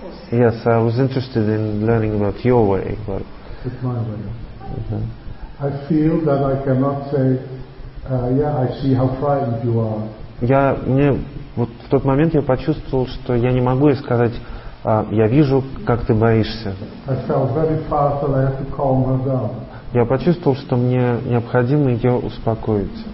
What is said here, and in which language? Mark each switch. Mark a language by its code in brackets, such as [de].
[en] Yes, I was interested in learning about your way, but it's my way. Mm-hmm. I feel that I cannot say. I see how frightened you are. [ru] Я мне вот в тот момент я почувствовал, что я не могу ей сказать: "Я вижу, как ты боишься." [en] I felt very fast that I have to calm her down. [ru] Я почувствовал, что мне необходимо ее успокоить.